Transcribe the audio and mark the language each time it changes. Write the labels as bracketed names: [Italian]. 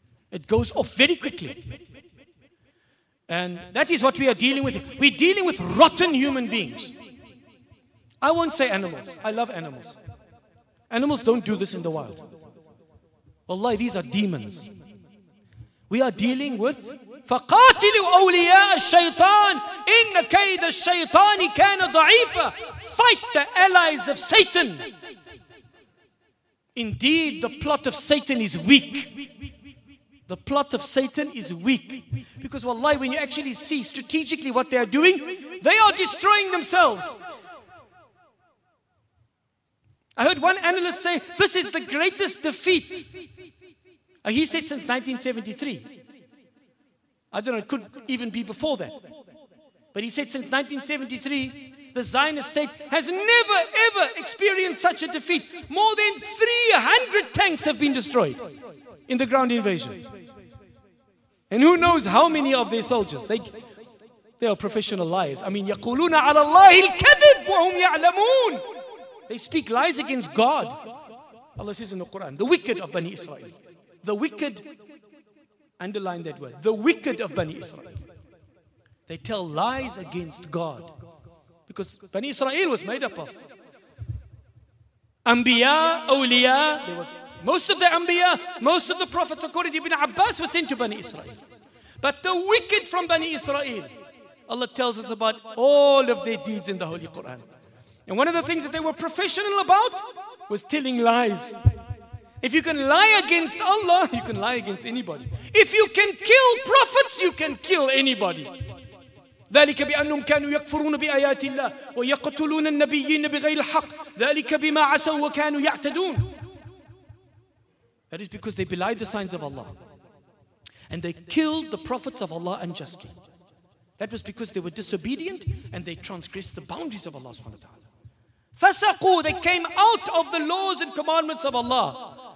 [English] It goes off very quickly. And that is what we are dealing with. We're dealing with rotten human beings. I won't say animals. I love animals. Animals don't do this in the wild. Wallahi, these are demons. We are dealing with [Arabic] فَقَاتِلُوا أَوْلِيَاءَ الشَّيْطَانِ إِنَّ كَيْدَ الشَّيْطَانِ كَانَ ضَعِيفًا. [English] Fight the allies of Satan. Indeed, the plot of Satan is weak. The plot of Satan is weak. Because wallahi, when you actually see strategically what they are doing, they are destroying themselves. I heard one analyst say, this is the greatest defeat. He said since 1973. I don't know, it could even be before that. But he said since 1973, the Zionist state has never ever experienced such a defeat. More than 300 tanks have been destroyed in the ground invasion. And who knows how many of their soldiers. They are professional liars. I mean, [Arabic] يَقُولُونَ عَلَى اللَّهِ الْكَذِبُ وَهُمْ يَعْلَمُونَ. [English] They speak lies against God. Allah says in the Quran, the wicked of Bani Israel. The wicked, underline that word, the wicked of Bani Israel. They tell lies against God. Because Bani Israel was made up of Anbiya, Awliya. Most of the Anbiya, most of the prophets, according to Ibn Abbas, were sent to Bani Israel. But the wicked from Bani Israel, Allah tells us about all of their deeds in the Holy Quran. And one of the things that they were professional about was telling lies. If you can lie against Allah, you can lie against anybody. If you can kill prophets, you can kill anybody. [Arabic] ذلك بأنهم كانوا يكفرون بآيات الله ويقتلون النبيين بغير الحق ذلك بما عصوا وكانوا يعتدون. [English] That is because they belied the signs of Allah. And they killed the prophets of Allah unjustly. That was because they were disobedient and they transgressed the boundaries of Allah subhanahu wa ta'ala. Fasaqu, they came out of the laws and commandments of Allah.